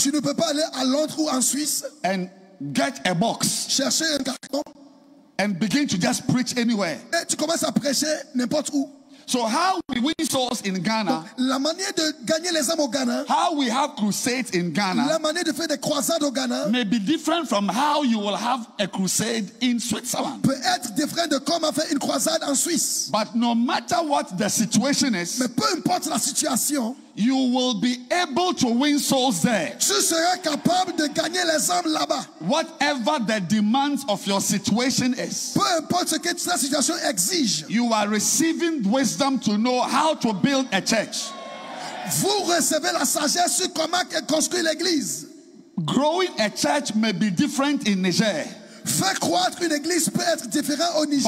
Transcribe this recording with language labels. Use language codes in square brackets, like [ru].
[fr] Tu ne peux pas aller à Londres ou en Suisse. [en] And get a box. [fr] Chercher un carton. [en] And begin to just preach anywhere. [fr] Et tu commences à prêcher n'importe où. [en] So how we win souls in Ghana? [fr] La manière de gagner les âmes au Ghana. [en] How we have crusades in Ghana? [fr] La manière de faire des croisades au Ghana. [en] May be different from how you will have a crusade in Switzerland. [fr] Peut être différent de comment faire une croisade en Suisse. [en] But no matter what the situation is. [fr] Mais peu importe la situation. [en] You will be able to win souls there. [fr] Tu seras capable de gagner les âmes là-bas. [en] Whatever the demands of your situation is. [fr] Peu importe ce que ta situation exige. [en] You are receiving wisdom to know how to build a church. [fr] Vous recevez la sagesse sur comment construire l'église. [en] Growing a church may be different in Niger. [fr] Faire croître une église peut être différent au Niger.